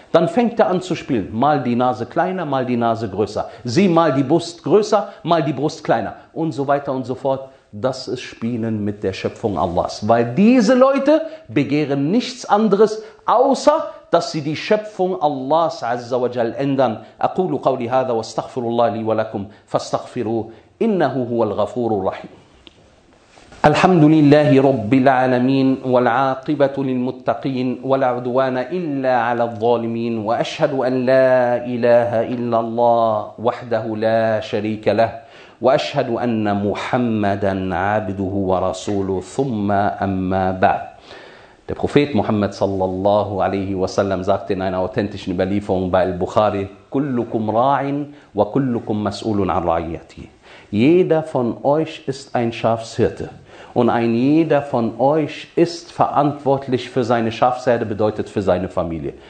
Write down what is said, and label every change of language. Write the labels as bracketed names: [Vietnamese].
[German] Dann fängt er an zu spielen. Mal die Nase kleiner, mal die Nase größer. Sieh mal die Brust größer, mal die Brust kleiner. Und so weiter und so fort. Das ist Spielen mit der Schöpfung Allahs. Weil diese Leute begehren nichts anderes, außer dass sie die Schöpfung Allahs Azza wa Jal ändern. [Arabic] أقول قولي هذا واستغفر الله لي ولكم فاستغفروه إنه هو الغفور الرحيم. الحمد لله رب العالمين والعاقبة للمتقين ولا عدوان إلا على الظالمين وأشهد أن لا إله إلا الله وحده لا شريك له وأشهد أن محمدا عبده ورسوله ثم أما بعد. [German] Der Prophet Muhammad sallallahu alaihi wasallam sagte in einer authentischen Überlieferung bei Al-Bukhari: [Arabic] Kullukum ra'in wa kullukum mas'ulun an ra'iyati. [German] Jeder von euch ist ein Schafshirte und ein jeder von euch ist verantwortlich für seine Schafsherde, bedeutet für seine Familie.